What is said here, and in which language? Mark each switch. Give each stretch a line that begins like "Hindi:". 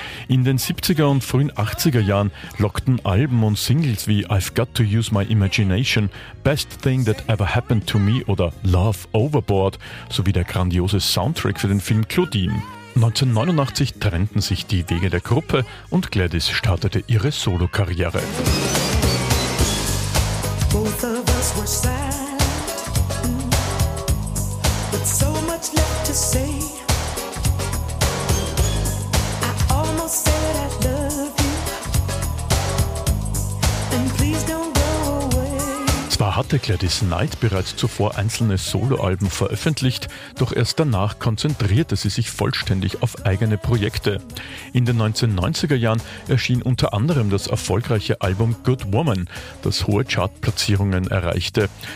German: In den 70er und frühen 80er Jahren lockten Alben und Singles wie I've Got to Use My Imagination, Best Thing That Ever Happened to Me oder Love Overboard sowie der grandiose Soundtrack für den Film Claudine. 1989 trennten sich die Wege der Gruppe und Gladys startete ihre Solokarriere.
English: Both of us were sad, but so much left to say. I almost said I love you, and please don't go away.
German: Zwar hatte Gladys Knight bereits zuvor einzelne Soloalben veröffentlicht, doch erst danach konzentrierte sie sich vollständig auf eigene Projekte. In den 1990er Jahren erschien unter anderem das erfolgreiche Album Good Woman, das hohe Chartplatzierungen erreichte.